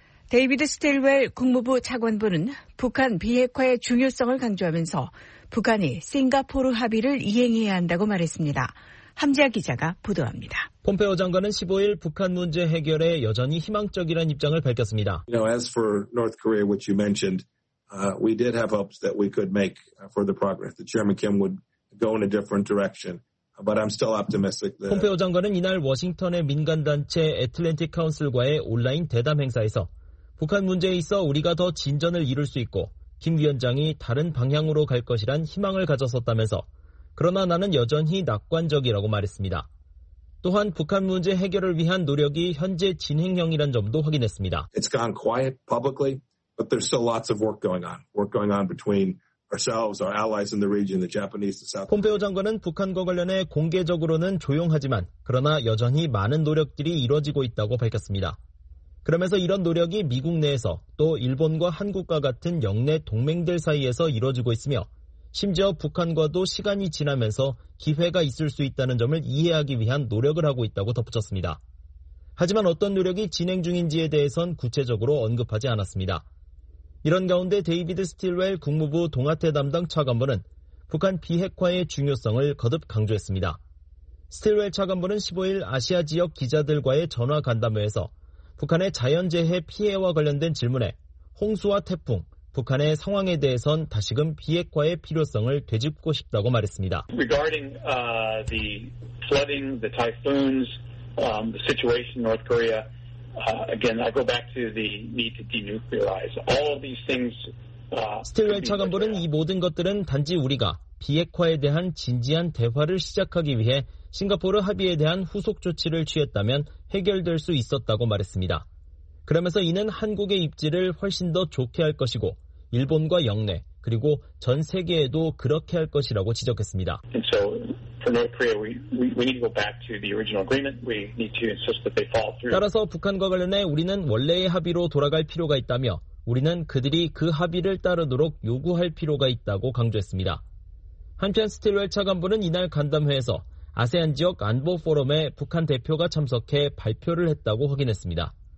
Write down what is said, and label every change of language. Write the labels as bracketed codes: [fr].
[ko] 데이비드 스틸웰 국무부 차관보는 북한 비핵화의 중요성을 강조하면서 북한이 싱가포르 합의를 이행해야 한다고 말했습니다. 함재아 기자가 보도합니다. 폼페오 장관은 15일 북한 문제 해결에 여전히 희망적이라는 입장을 밝혔습니다. [en] You know, as for North Korea, which you mentioned, we did have hopes that we could make further progress. The Chairman Kim would go in a different direction. But I'm still optimistic. [ko] 폼페오 장관은 이날 워싱턴의 민간단체 애틀랜틱 카운슬과의 온라인 대담 행사에서 북한 문제에 있어 우리가 더 진전을 이룰 수 있고 김 위원장이 다른 방향으로 갈 것이란 희망을 가졌었다면서 그러나 나는 여전히 낙관적이라고 말했습니다. 또한 북한 문제 해결을 위한 노력이 현재 진행형이란 점도 확인했습니다. [en] It's gone quiet publicly, but there's still lots of work going on. Work going on between ourselves, our allies in the region, the Japanese, the South. [ko] 폼페오 장관은 북한과 관련해 공개적으로는 조용하지만 그러나 여전히 많은 노력들이 이루어지고 있다고 밝혔습니다. 그러면서 이런 노력이 미국 내에서 또 일본과 한국과 같은 영내 동맹들 사이에서 이루어지고 있으며 심지어 북한과도 시간이 지나면서 기회가 있을 수 있다는 점을 이해하기 위한 노력을 하고 있다고 덧붙였습니다. 하지만 어떤 노력이 진행 중인지에 대해선 구체적으로 언급하지 않았습니다. 이런 가운데 데이비드 스틸웰 국무부 동아태 담당 차관보는 북한 비핵화의 중요성을 거듭 강조했습니다. 스틸웰 차관보는 15일 아시아 지역 기자들과의 전화 간담회에서 북한의 자연재해 피해와 관련된 질문에 홍수와 태풍, 북한의 상황에 대해선 다시금 비핵화의 필요성을 되짚고 싶다고 말했습니다. [en] Regarding the flooding, the typhoons, the situation in North Korea, again, I go back to the need to denuclearize. All of these things. [ko] 스틸웰 차관보는 이 모든 것들은 단지 우리가 비핵화에 대한 진지한 대화를 시작하기 위해 싱가포르 합의에 대한 후속 조치를 취했다면 해결될 수 있었다고 말했습니다. 그러면서 이는 한국의 입지를 훨씬 더 좋게 할 것이고 일본과 영내 그리고 전 세계에도 그렇게 할 것이라고 지적했습니다. [en] And so for North Korea, we need to go back to the original agreement. We need to insist that they follow through. [ko] 따라서 북한과 관련해 우리는 원래의 합의로 돌아갈 필요가 있다며 우리는 그들이 그 합의를 따르도록 요구할 필요가 있다고 강조했습니다. 한편 스틸웰 차관보는 이날 간담회에서 아세안 지역 안보 포럼에 북한 대표가 참석해 발표를 했다고 확인했습니다.